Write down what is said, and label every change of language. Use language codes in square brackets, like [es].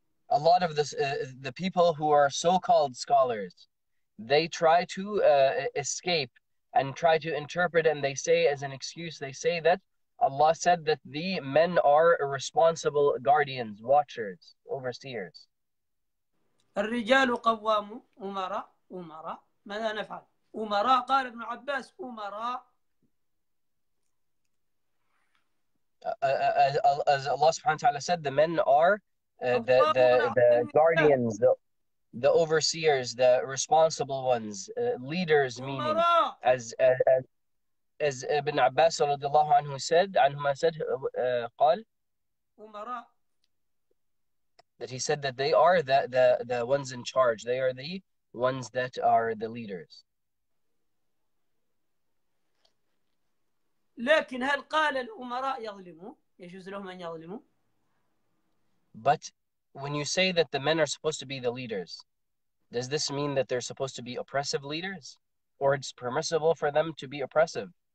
[en] A lot of the people who are so-called scholars, they try to escape and try to interpret, and they say as an excuse, they say that Allah said that the men are responsible guardians, watchers, overseers. [ar] الرجال قوام أمراء أمراء ماذا نفعل أمراء قال ابن عباس أمراء. [en] As Allah Subhanahu wa Taala said, the men are the guardians, the overseers, the responsible ones, leaders, meaning as Ibn Abbas radiallahu anhu said, قال, that he said that they are the ones in charge, they are the ones that are the leaders. [ar] لكن هل قال الأمراء يظلمون يجوز لهم أن يظلمون. [en] But when you say that the men are supposed to be the leaders, does this mean that they're supposed to be oppressive leaders? Or it's permissible for them to be oppressive?